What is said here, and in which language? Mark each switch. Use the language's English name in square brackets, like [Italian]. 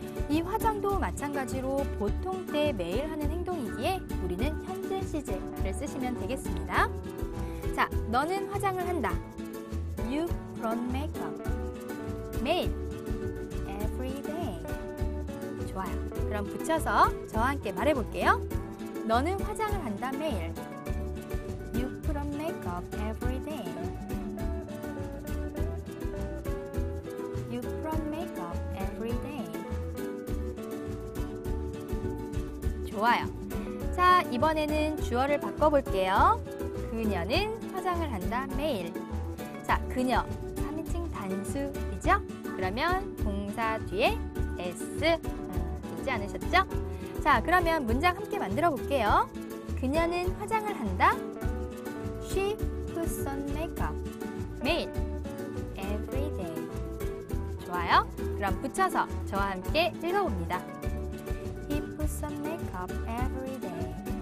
[Korean] 이 화장도 마찬가지로 보통 때 매일 하는 행동이기에 우리는 현재 시제를 쓰시면 되겠습니다. 자, 너는 화장을 한다. [English] You put on makeup. [Korean] 매일. [English] Every day. [Korean] 좋아요. 그럼 붙여서 저와 함께 말해볼게요. 너는 화장을 한다. 매일. [English] You put on makeup every day. You put on makeup every day. [Korean] 좋아요. 자, 이번에는 주어를 바꿔볼게요. 그녀는 화장을 한다 매일. 자, 그녀 3인칭 단수이죠? 그러면 동사 뒤에 S 잊지 않으셨죠? 자, 그러면 문장 함께 만들어 볼게요. 그녀는 화장을 한다. [English] She puts on makeup [Korean] 매일. [English] Every day. [Korean] 좋아요. 그럼 붙여서 저와 함께 읽어봅니다. [English] He puts on makeup every day.